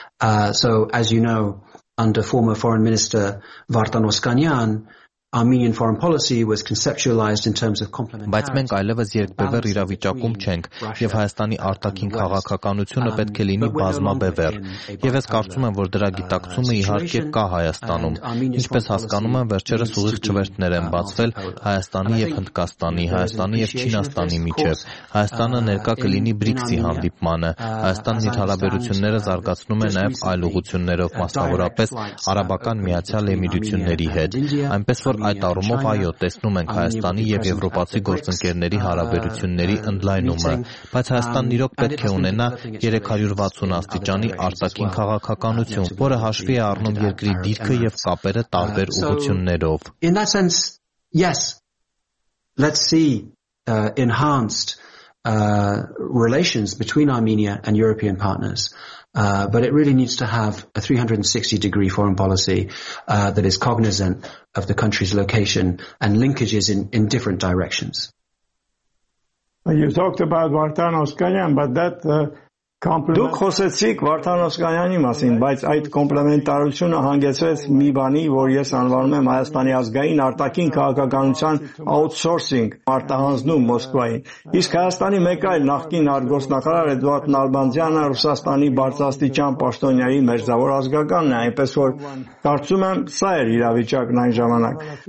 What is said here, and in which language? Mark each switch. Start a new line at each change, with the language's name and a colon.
English: So, as you know, under former Foreign Minister Vardan Oskanyan, Armenian foreign policy was conceptualized in terms of complementarity.
Armenian: Բայց մենք այլևս երկբևեռ իրավիճակում չենք, եւ Հայաստանի արտաքին քաղաքականությունը պետք է լինի բազմաբևեռ։ Եվ ես կարծում եմ, որ դրա գիտակցումը իհարկե կա Հայաստանում։ Ինչպես հասկանում եմ, վերջերս ուղիղ չվերթներ են բացվել Հայաստանի եւ Հնդկաստանի, Հայաստանի եւ Չինաստանի միջեւ։ Հայաստանը ներկա կլինի BRICS-ի հանդիպմանը։ Հայաստանն իր հարաբերությունները զարգացնում է նաեւ այլ ուղություններով, մասնավորապես Արաբական Միացյալ Էմիրությունների հետ։ Այնպես որ Այդ առումով այո, տեսնում ենք Հայաստանի եւ Եվրոպացի գործընկերների հարաբերությունների ընդլայնումը, բայց Հայաստանն իրոք պետք է ունենա 360 աստիճանի արտաքին քաղաքականություն, որը հաշվի է առնում երկրի դիրքը եւ կապերը տարբեր ուղություններով.
English: In that sense, yes. Let's see enhanced relations between Armenia and European partners. But it really needs to have a 360-degree foreign policy that is cognizant of the country's location and linkages in different directions. You talked about Vartan Oskanyan, but that complement...
Armenian: Դուք խոսեցիք Վարդան Օսկանյանի մասին, բայց այդ կոմպլեմենտարությունը հանգեցրեց մի բանի, որ ես անվանում եմ Հայաստանի ազգային արտաքին քաղաքականության outsourcing, արտահանձնում Մոսկվային։ Իսկ Հայաստանի մեկ այլ նախկին արտգործնախարար Էդվարդ Նալբանդյանը Ռուսաստանի բարձրաստիճան պաշտոնյայի մերձավոր ազգականն է, այնպես որ կարծում եմ, սա էր իրավիճակն այն ժամանակ։